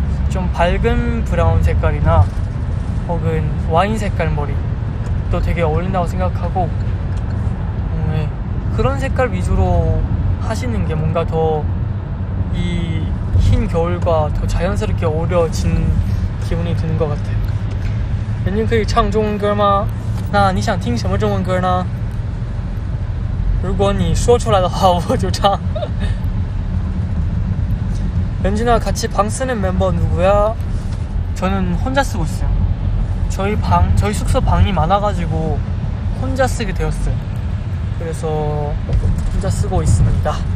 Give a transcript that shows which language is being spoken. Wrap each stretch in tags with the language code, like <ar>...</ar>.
<ko>좀 밝은 브라운 색깔이나 혹은 와인 색깔 머리도 되게 어울린다고 생각하고, 네. 그런 색깔 위주로 하시는 게 뭔가 더 이 흰 겨울과 더 자연스럽게 어울려지는 기분이 드는 것 같아요.</ko> <zh>人家可以唱中文歌吗？那你想听什么中文歌呢？如果你说出来的话，我就唱。</zh> <ko>렌준아 같이 방 쓰는 멤버 누구야? 저는 혼자 쓰고 있어요. 저희 숙소 방이 많아가지고 혼자 쓰게 되었어요. 그래서 혼자 쓰고 있습니다.</ko>